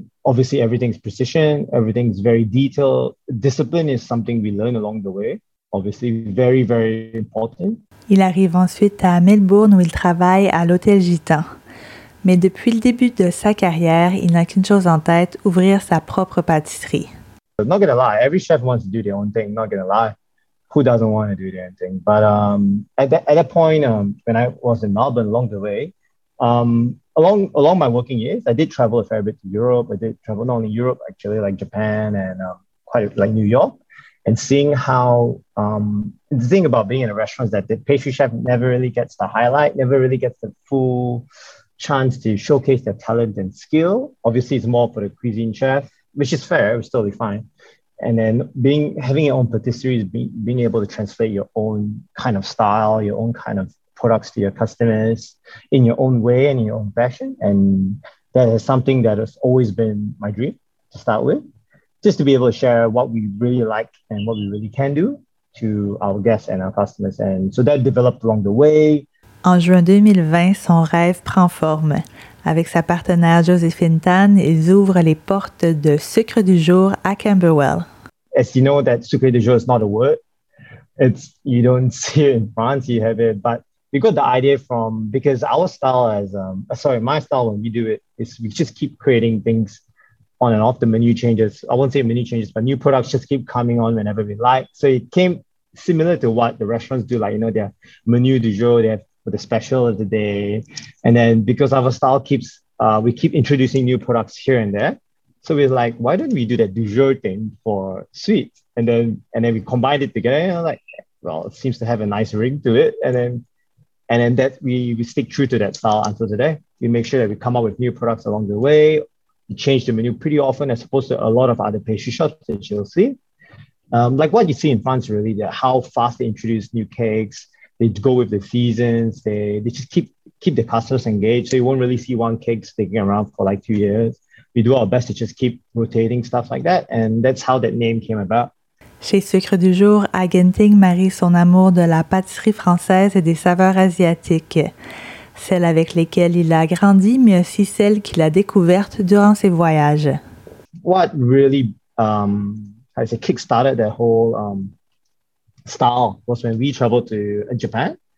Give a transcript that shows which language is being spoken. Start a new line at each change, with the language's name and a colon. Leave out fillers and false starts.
English: Obviously, everything's precision. Everything's very detailed. Discipline is something we learn along the way. Obviously, very, very important.
French: Il arrive ensuite à Melbourne où il travaille à l'Hôtel Gitan. Mais depuis le début de sa carrière, il n'a qu'une chose en tête, ouvrir sa propre pâtisserie.
English: I'm not gonna lie, every chef wants to do their own thing, not gonna lie. Who doesn't want to do their own thing? But at that point, when I was in Melbourne along the way, along my working years, I did travel a fair bit to Europe. I did travel not only Europe, actually, like Japan and quite New York. And seeing how, the thing about being in a restaurant is that the pastry chef never really gets the highlight, never really gets the full chance to showcase their talent and skill. Obviously, it's more for the cuisine chef, which is fair, it was totally fine. And then having your own patisserie is being able to translate your own kind of style, your own kind of products to your customers in your own way and in your own fashion. And that is something that has always been my dream to start with. Just to be able to share what we really like and what we really can do to our guests and our customers. And so that developed along the way.
French: En juin 2020, son rêve prend forme. Avec sa partenaire Josephine Tan, ils ouvrent les portes de Sucre du jour à Camberwell.
English: As you know, that Sucre du jour is not a word. You don't see it in France, you have it. But we got the idea because our style my style when we do it, is we just keep creating things on and off the menu changes. I won't say menu changes, but new products just keep coming on whenever we like. So it came similar to what the restaurants do, like, you know, their menu du jour, they have for the special of the day. And then because our style keeps, we keep introducing new products here and there. So we're like, why don't we do that du jour thing for sweets? And then we combined it together, and I'm like, well, it seems to have a nice ring to it. And then that we stick true to that style until today. We make sure that we come up with new products along the way. You change the menu pretty often as opposed to a lot of other pastry shops that you'll see. Like what you see in France, really, how fast they introduce new cakes, they go with the seasons, they just keep the customers engaged. So you won't really see one cake sticking around for like 2 years. We do our best to just keep rotating stuff like that. And that's how that name came about.
French: Chez Sucre du jour, Agenting marie son amour de la pâtisserie française et des saveurs asiatiques. Celles avec lesquelles il a grandi, mais aussi celles qu'il a découvertes durant ses voyages.
English: What really, kick-started the whole style was when we traveled to Japan.